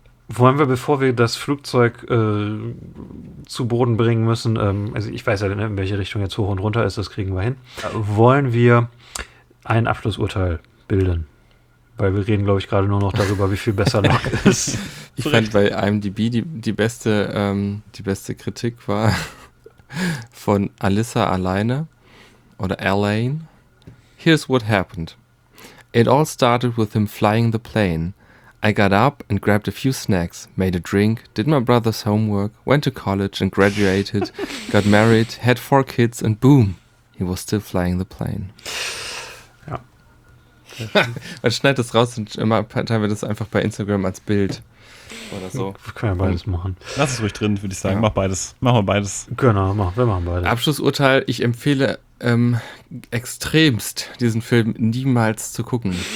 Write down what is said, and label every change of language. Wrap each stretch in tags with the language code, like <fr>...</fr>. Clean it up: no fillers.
<de>Wollen wir, bevor wir das Flugzeug zu Boden bringen müssen, also ich weiß ja nicht, in welche Richtung jetzt hoch und runter ist, das kriegen wir hin, wollen wir ein Abschlussurteil bilden? Weil wir reden, glaube ich, gerade nur noch darüber, wie viel besser noch ist. Ich fand bei IMDb die beste Kritik war von Alyssa alleine oder Elaine.</de> <en>Here's what happened. It all started with him flying the plane. I got up and grabbed a few snacks, made a drink, did my brother's homework, went to college and graduated, got married, had four kids and boom, he was still flying the plane.</en> <de>Man schneidet das raus und immer teilen wir das einfach bei Instagram als Bild oder so. Wir können ja beides machen. Lass es ruhig drin, würde ich sagen. Ja. Mach beides. Machen wir beides. Genau, wir machen beides. Abschlussurteil, ich empfehle extremst, diesen Film niemals zu gucken.</de>